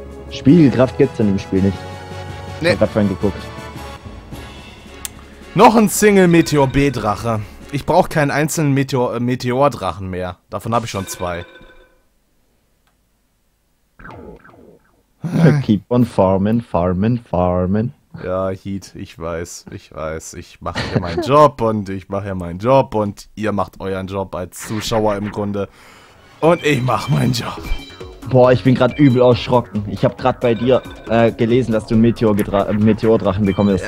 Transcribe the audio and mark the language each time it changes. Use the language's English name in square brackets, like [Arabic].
[German] Spiegelkraft gibt's in dem Spiel nicht. Nee. Ich hab grad vorhin geguckt. Noch ein Single-Meteor-B-Drache. Ich brauche keinen einzelnen Meteor-Drachen mehr. Davon habe ich schon zwei. [English] Keep on farming, farming, farming. [German] Ja, Heat, ich weiß. Ich mache hier meinen Job und ihr macht euren Job als Zuschauer im Grunde. Und ich mache meinen Job. Boah, ich bin gerade übel erschrocken. Ich habe gerade bei dir gelesen, dass du einen Meteordrachen bekommen hast.